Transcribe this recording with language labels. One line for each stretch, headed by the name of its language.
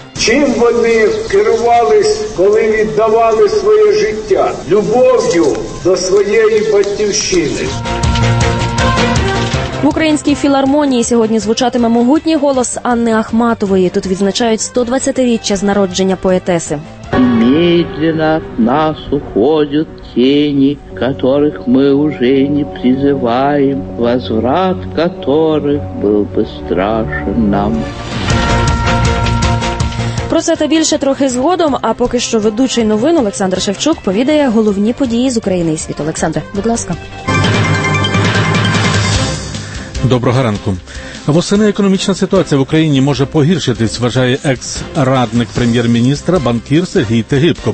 Ukrainian: Чим вони керувались, коли віддавали своє життя? Любов'ю до своєї батьківщини. В Українській філармонії сьогодні звучатиме могутній голос Анни Ахматової. Тут відзначають 120-річчя з народження поетеси.
Russian: Медленно от нас уходят тени, которых мы уже не призываем, возврат которых был бы страшен нам.
Ukrainian: Про це та більше трохи згодом, а поки що ведучий новин Олександр Шевчук повідає головні події з України і світу. Олександре, будь ласка. Доброго ранку. Восени економічна ситуація в Україні може погіршитись, вважає екс-радник прем'єр-міністра, банкір Сергій Тегибко.